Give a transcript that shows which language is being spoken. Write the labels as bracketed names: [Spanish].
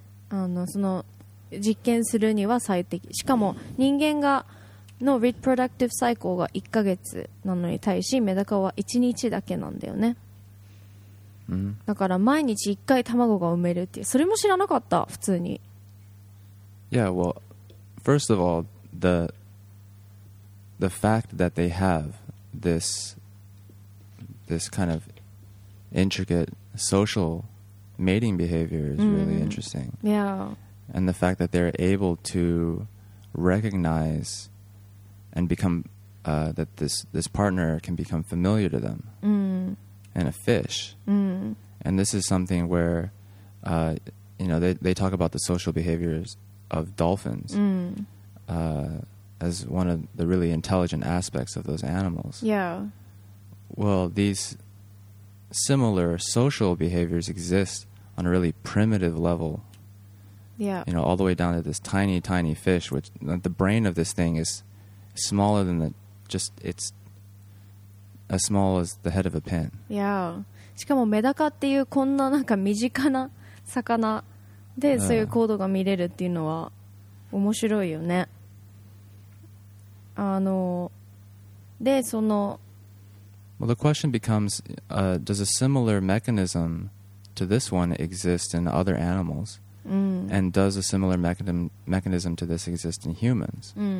[Japanese] あのその実験するには最適、しかも人間がの reproductive cycle が1ヶ月なのに対しメダカは1日だけなんだよね、 mm. だから毎日1回卵が産めるっていう、それも知らなかった普通に。 [English] Yeah, well, first of all, the fact that they have this kind of intricate social mating behavior is really interesting. Yeah. And the fact that they're able to recognize and become, that this partner can become familiar to them in a fish. And this is something where, you know, they talk about the social behaviors of dolphins as one of the really intelligent aspects of those animals. Yeah. Well, these similar social behaviors exist on a really primitive level. Yeah. You know, all the way down to this tiny, tiny fish, which the brain of this thing is smaller than it's as small as the head of a pin. Yeah. [Japanese] しかもメダカっていうこんななんか身近な魚でそういう行動が見れるっていうのは面白いよね。あの、で、その、 [English] Well, the question becomes, does a similar mechanism to this one exist in other animals? And does a similar mechanism to this exist in humans?